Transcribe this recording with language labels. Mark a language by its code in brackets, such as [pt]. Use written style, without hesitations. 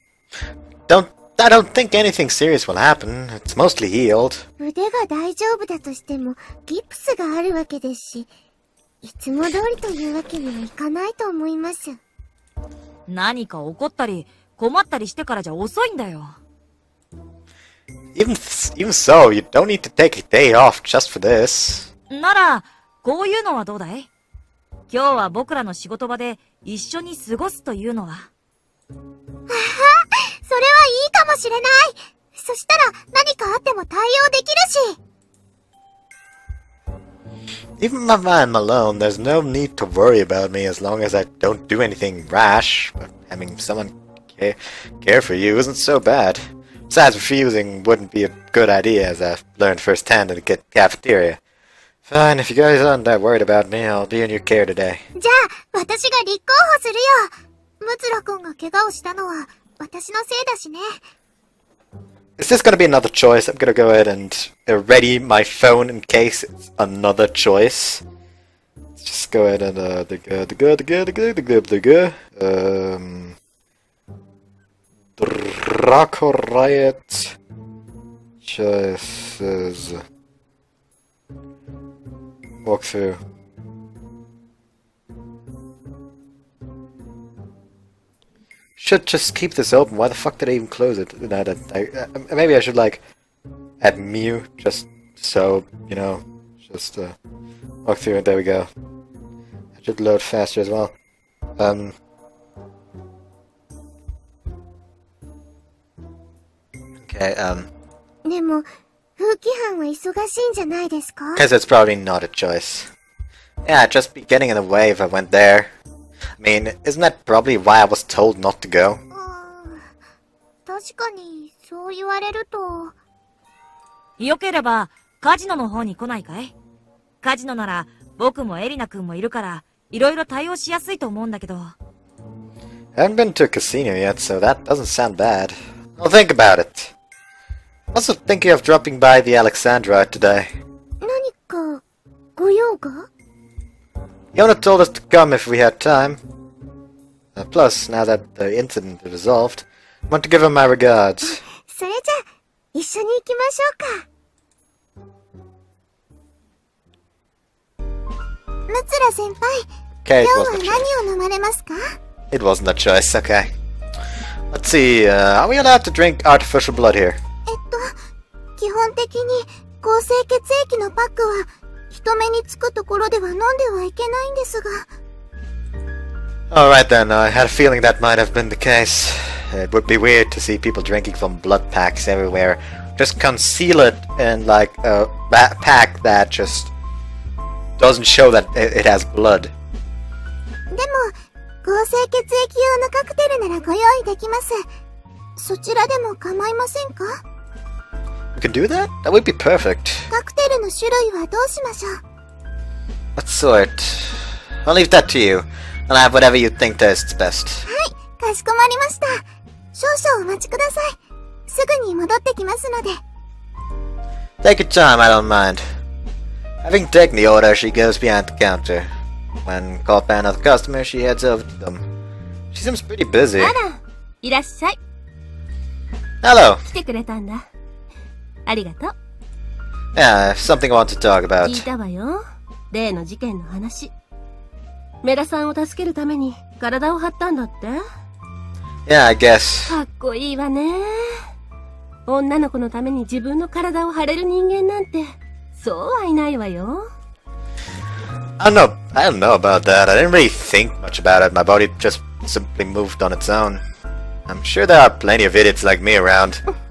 [en] I don't think anything serious will happen. It's mostly healed. [ja] 腕が大丈夫だとしても、ギプスがあるわけですし、いつも通りというわけにはいかないと思います。何か怒ったり困ったりしてからじゃ遅いんだよ。 [en] Even so, you don't need to take a day off just for this. [ja] なら、こういうのはどうだい?今日は僕らの仕事場で一緒に過ごすというのは。ははそれはいいかもしれない。そしたら何かあっても対応できるし。 [en] Even if I'm alone, there's no need to worry about me as long as I don't do anything rash. But having someone care for you isn't so bad. Besides, refusing wouldn't be a good idea, as I've learned firsthand in the cafeteria. If Fine, if you guys aren't that worried about me, I'll be in your care today. [ja] じゃあ、私が立候補するよ。ムツラ君が怪我をしたのは私のせいだしね。 [en] Is this gonna be another choice? I'm gonna go ahead and ready my phone in case it's another choice. Let's just go ahead and Dracu-Riot choices. Walk through. Should just keep this open. Why the fuck did I even close it? Maybe I should like add mew just so you know. Just walk through it. There we go. I should load faster as well. Okay. [ja] でも風紀班は忙しいんじゃないですか? [en] Because it's probably not a choice. Yeah, I'd just be getting in the way if I went there. I mean, isn't that probably why I was told not to go? [ja] 確かに、そう言われると… よければ、カジノの方に来ないかい?カジノなら、僕もエリナ君もいるから、いろいろ対応しやすいと思うんだけど。 [en] I haven't been to a casino yet, so that doesn't sound bad. I'll think about it. I'm also thinking of dropping by the Alexandra today. [ja] 何か、ご用が? [en] Yona told us to come if we had time. Plus, now that the incident is resolved, I want to give her my regards. [ja] それじゃ、一緒に行きましょうか。ムツラ先輩、今日は何を飲まれますか? [en] It wasn't a choice, okay. Let's see, are we allowed to drink artificial blood here? [ja] 基本的に合成血液のパックは人目につくところでは飲んではいけないんですが。 [en] Alright then, I had a feeling that might have been the case. It would be weird to see people drinking from blood packs everywhere. Just conceal it in like a pack that just doesn't show that it has blood. [ja] でも、合成血液用のカクテルならご用意できます。そちらでも構いませんか? [en] We can do that? That would be perfect. [ja] カクテルの種類はどうしましょう? [en] What sort? I'll leave that to you. I'll have whatever you think tastes best. [ja] はい、かしこまりました。少々お待ちください。すぐに戻ってきますので。 [en] Take your time, I don't mind. Having taken the order, she goes behind the counter. When called by another customer, she heads over to them. She seems pretty busy. [ja] あら、いらっしゃい。 [en] Hello. [ja] 来てくれたんだ。ありがとう。 [en] Yeah, something I want to talk about. [ja] 聞いたわよ。例の事件の話。メラさんを助けるために体を張ったんだって? [en] Yeah, I guess. [ja] かっこいいわね。女の子のために自分の体を張れる人間なんて、そうはいないわよ。 [en] I don't know about that. I didn't really think much about it. My body just simply moved on its own. I'm sure there are plenty of idiots like me around.